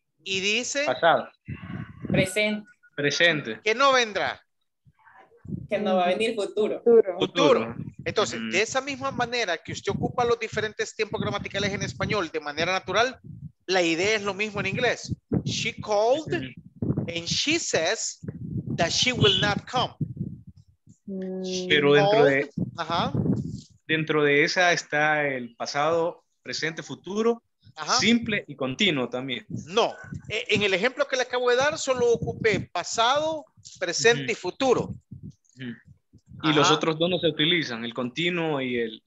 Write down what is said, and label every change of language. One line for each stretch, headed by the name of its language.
Spanish: Y dice. Pasado. Presente. Presente. Que no vendrá. Que no va a venir futuro. Futuro. Entonces, de esa misma manera que usted ocupa los diferentes tiempos gramaticales en español de manera natural, la idea es lo mismo en inglés.
English: She called and she says that she will not come.
Spanish: Pero dentro de... Ajá. Dentro de esa está el pasado, presente, futuro, ajá, simple y continuo también. No. En el ejemplo que le acabo de dar, solo ocupé pasado, presente y futuro. Y los otros dos no se utilizan, el continuo y el...